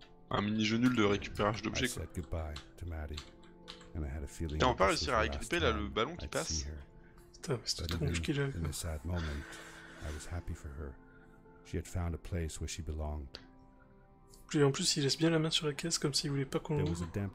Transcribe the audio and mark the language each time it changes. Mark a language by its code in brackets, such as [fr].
[fr] Un mini-jeu nul de récupérage d'objets quoi. T'as pas réussi à récupérer là le ballon qui passe? [en] In this sad moment, I was happy for her. She had found a place where she belonged. [fr] Et en plus, il laisse bien la main sur la caisse comme s'il voulait pas qu'on l'ouvre.